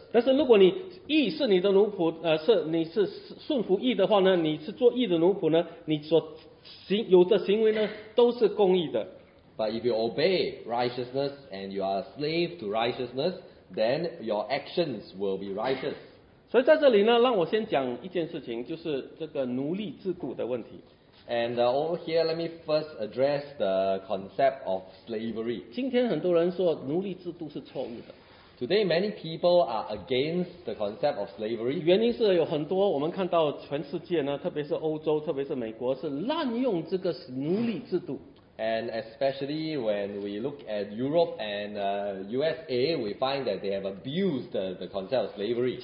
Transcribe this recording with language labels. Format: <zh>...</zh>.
<zh>但是如果你义是你的奴仆，你是顺服义的话呢，你是做义的奴仆呢，你所行有的行为呢，都是公义的。</zh> <en>But if you obey righteousness and you are a slave to righteousness, then your actions will be righteous.</en> <zh>所以在这里呢，让我先讲一件事情，就是这个奴隶自雇的问题。</zh> <en>And over here, let me first address the concept of slavery.</en> <zh>今天很多人说奴隶制度是错误的。</zh> <en>Today, many people are against the concept of slavery.</en> <zh>原因是有很多我们看到全世界呢，特别是欧洲，特别是美国，是滥用这个奴隶制度。</zh> <en>And especially when we look at Europe and USA, we find that they have abused the concept of slavery.</en>